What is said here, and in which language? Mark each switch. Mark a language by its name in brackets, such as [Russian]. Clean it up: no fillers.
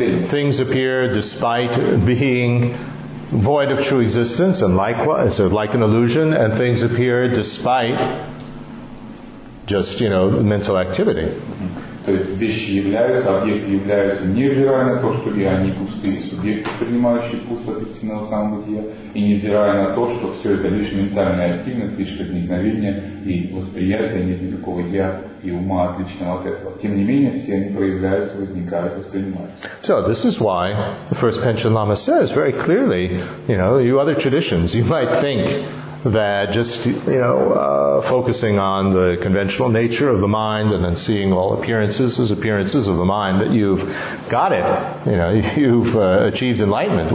[English] Things appear despite being void of true existence, and likewise, like an illusion, and things appear despite just, you know, mental activity. [Russian] То есть вещи являются, объекты являются невзирая на то, что ли они пустые субъекты, принимающие вкус от истинного самобытия, и невзирая на то, что все это лишь ментальная активность, лишь возникновение и восприятие, нет никакого я и ума отличного от этого. Тем не менее, все они проявляются, возникают, воспринимаются. [English] So, this is why the first Panchen Lama says very clearly, you know, you other traditions, you might think that just, you know, focusing on the conventional nature of the mind and then seeing all appearances as appearances of the mind, that you've got it, you know, you've achieved enlightenment.